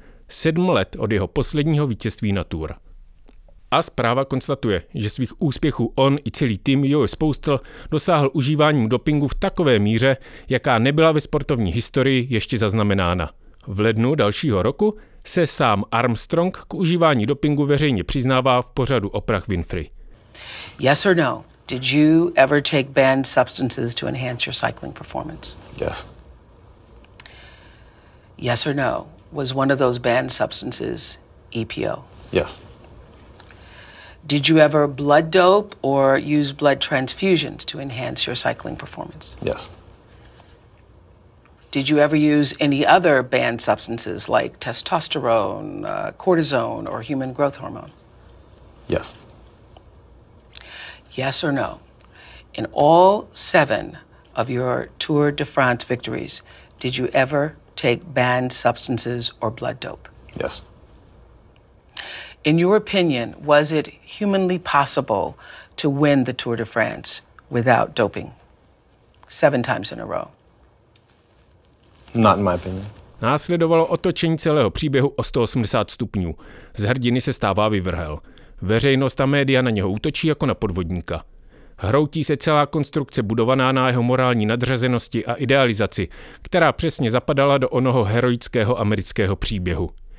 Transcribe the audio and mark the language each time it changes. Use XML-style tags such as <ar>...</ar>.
<cs>7 let od jeho posledního vítězství na Tour. A zpráva konstatuje, že svých úspěchů on i celý tým Joe Spoustl dosáhl užíváním dopingu v takové míře, jaká nebyla ve sportovní historii ještě zaznamenána. V lednu dalšího roku se sám Armstrong k užívání dopingu veřejně přiznává v pořadu Oprah Winfrey.</cs> <en>Yes or no? Did you ever take banned substances to enhance your cycling performance? Yes. Yes or no? Was one of those banned substances EPO? Yes. Did you ever blood dope or use blood transfusions to enhance your cycling performance? Yes. Did you ever use any other banned substances like testosterone, cortisone, or human growth hormone? Yes. Yes or no? In all 7 of your Tour de France victories, did you ever take banned substances or blood dope? Yes. In your opinion, was it humanly possible to win the Tour de France without doping? 7 times in a row. Not in my opinion.</en> <cs>Následovalo otočení celého příběhu o 180 stupňů. Z hrdiny se stává vyvrhel. Veřejnost a média na něho útočí jako na podvodníka. Hroutí se celá konstrukce budovaná na jeho morální nadřazenosti a idealizaci, která přesně zapadala do onoho heroického amerického příběhu.</cs>